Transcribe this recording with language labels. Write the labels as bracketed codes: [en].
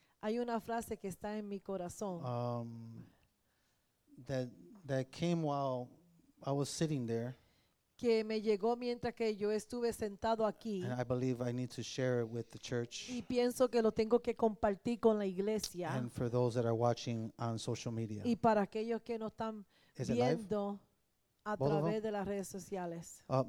[es] Hay una frase que está en mi corazón. [en] That came while I was sitting there. [es] Que me llegó mientras que yo estuve sentado aquí. [en] And I believe I need to share it with the church. [es] Y pienso que lo tengo que compartir con la iglesia. [en] And for those that are watching on social media. [es] Y para aquellos que no están viendo a través de las redes sociales.